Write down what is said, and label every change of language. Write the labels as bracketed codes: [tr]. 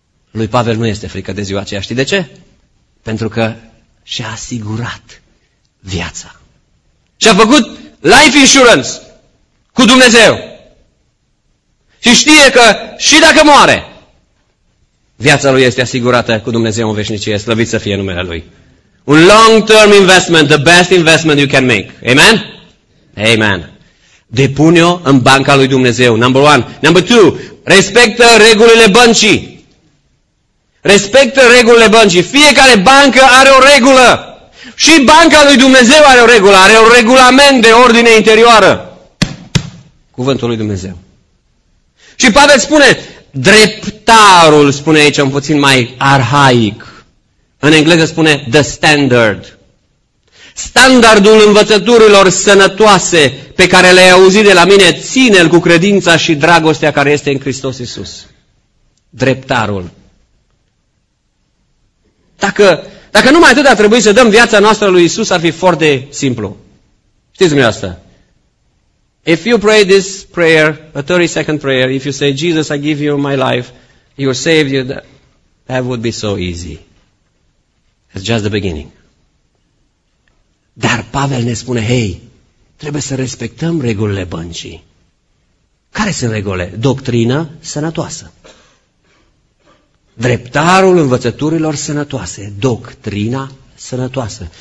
[ro] Lui Pavel nu este frică de ziua aceea. Știi de ce? Pentru că și-a asigurat viața. Și-a făcut life insurance cu Dumnezeu. Și știe că și dacă moare, viața lui este asigurată cu Dumnezeu în veșnicie. Slăvit să fie numele Lui. [en] Un long-term investment, the best investment you can make. [ro] Amen? Amen. Depune-o în banca lui Dumnezeu. [en] Number one. Number two. [ro] Respectă regulile băncii. Respectă regulile băncii. Fiecare bancă are o regulă. Și banca lui Dumnezeu are o regulă, are un regulament de ordine interioară. Cuvântul lui Dumnezeu. Și Pavel spune, dreptarul, spune aici un puțin mai arhaic. În engleză spune the standard. Standardul învățăturilor sănătoase pe care le-ai auzit de la mine, ține-l cu credința și dragostea care este în Hristos Iisus. Dreptarul. Dacă numai atât ar trebui să dăm viața noastră lui Iisus, ar fi foarte simplu. Știți dumneavoastră? [en] If you pray this prayer, a 30-second prayer, if you say, Jesus, I give you my life, you're saved, that would be so easy. It's just the beginning. [ro] Dar Pavel ne spune, hei, trebuie să respectăm regulile băncii. Care sunt regulile? Doctrină sănătoasă. Dreptarul învățăturilor sănătoase, doctrina sănătoasă.